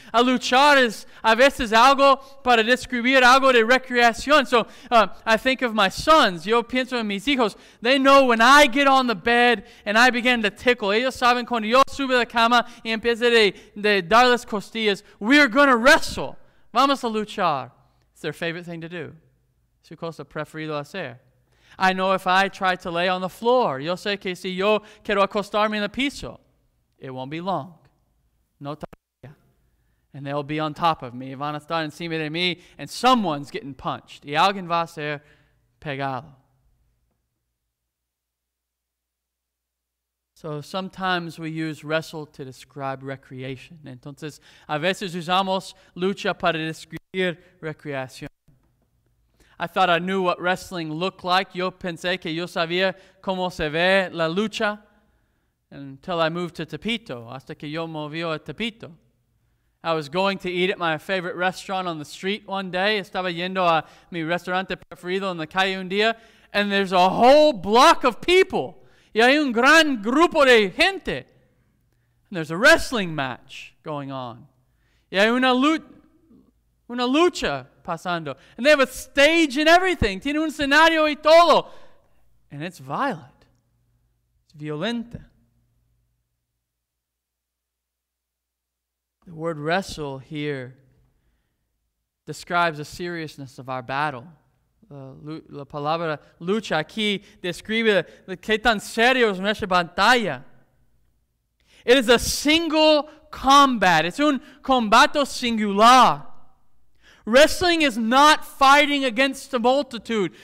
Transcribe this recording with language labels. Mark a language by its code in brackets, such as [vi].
[es] A luchar es a veces algo para describir algo de recreación. [en] So I think of my sons. [es] Yo pienso en mis hijos. [en] They know when I get on the bed and I begin to tickle. [es] Ellos saben cuando yo subo la cama y empiezo de dar las costillas. [en] We are going to wrestle. [es] Vamos a luchar. [en] It's their favorite thing to do. [es] Su cosa preferido hacer. [en] I know if I try to lay on the floor, [es] yo sé que si yo quiero acostarme en el piso, [en] it won't be long. [es] No tardaría. [en] And they'll be on top of me. [es] Van a estar encima de mí, [en] and someone's getting punched. [es] Y alguien va a ser pegado. [en] So sometimes we use wrestle to describe recreation. [es] Entonces, a veces usamos lucha para describir recreación. [en] I thought I knew what wrestling looked like. [es] Yo pensé que yo sabía cómo se ve la lucha [en] until I moved to Tepito, [es] hasta que yo moví a Tepito. [en] I was going to eat at my favorite restaurant on the street one day. [es] Estaba yendo a mi restaurante preferido en la calle un día, [en] and there's a whole block of people. [es] Y hay un gran grupo de gente. [en] And there's a wrestling match going on. [es] Y hay una lucha pasando. [en] And they have a stage and everything. [es] Tiene un escenario y todo. [en] And it's violent. It's violenta. The word wrestle here describes the seriousness of our battle. [es] La palabra lucha aquí describe que tan serio es nuestra batalla. [en] It is a single combat. It's [es] un combate singular. [en] Wrestling is not fighting against a multitude.